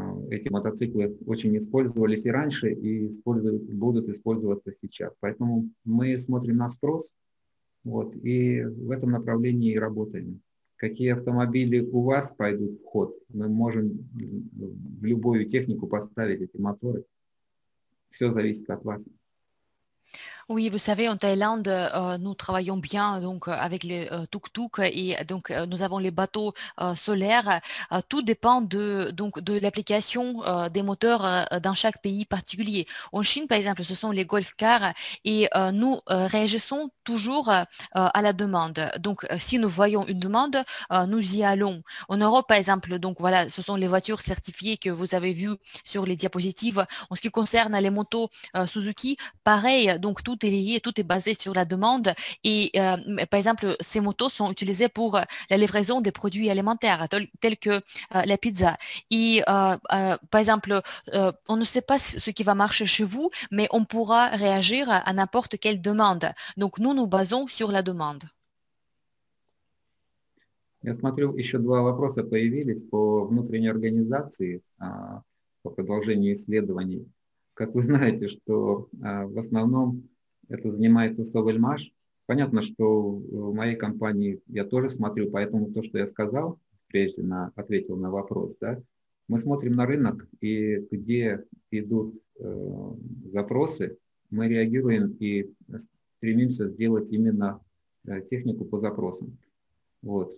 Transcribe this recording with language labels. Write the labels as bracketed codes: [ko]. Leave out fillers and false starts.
[ru] Эти мотоциклы очень использовались и раньше, и используют, будут использоваться сейчас. Поэтому мы смотрим на спрос, вот, и в этом направлении и работаем. Какие автомобили у вас пойдут в ход? Мы можем в любую технику поставить эти моторы. Все зависит от вас. [fr] Oui, vous savez, en Thaïlande, nous travaillons bien donc, avec les tuk-tuk et donc, nous avons les bateaux solaires. Tout dépend de, donc, de l'application des moteurs dans chaque pays particulier. En Chine, par exemple, ce sont les golf cars et nous réagissons toujours à la demande. Donc, si nous voyons une demande, nous y allons. En Europe, par exemple, donc, voilà, ce sont les voitures certifiées que vous avez vues sur les diapositives. En ce qui concerne les motos Suzuki, pareil, donc, tout est lié, tout est basé sur la demande. Et par exemple, ces motos sont utilisées pour la livraison des produits alimentaires, tels que la pizza. Et par exemple, on ne sait pas ce qui va marcher chez vous, mais on pourra réagir à n'importe quelle demande. Donc, nous nous basons sur la demande. [ru] Я смотрю, еще два вопроса появились по внутренней организации, по продолжению исследований. Как вы знаете, что в основном это занимается Sovelmash. Понятно, что в моей компании я тоже смотрю, поэтому то, что я сказал, прежде на, ответил на вопрос, да, мы смотрим на рынок, и где идут запросы, мы реагируем и стремимся сделать именно технику по запросам. Вот.